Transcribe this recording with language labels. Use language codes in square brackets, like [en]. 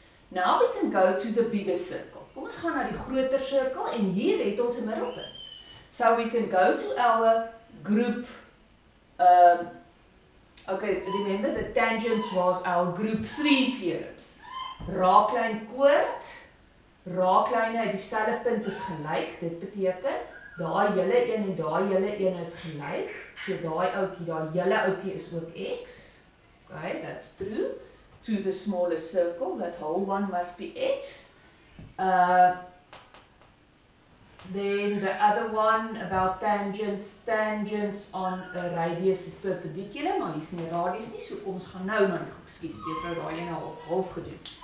[en] Now we can go to the bigger circle. [af] Kom ons gaan na die groter sirkel en hier het ons 'n middelpunt. [en] So we can go to our group okay, remember the tangents was our group 3 theorems. [af] Raaklyn koord, raaklyne uit dieselfde punt is gelyk. Dit beteken daai hele een en daai hele een is gelyk. So daai ouetjie, daai hele ouetjie is ook x. [en] Okay, that's true. To the smallest circle, that whole one must be x. Then the other one about tangents on a radius is perpendicular, [af] maar hier's nie radius nie, so ons gaan nou maar net ekskuus, juffrou, daai een al half gedoen.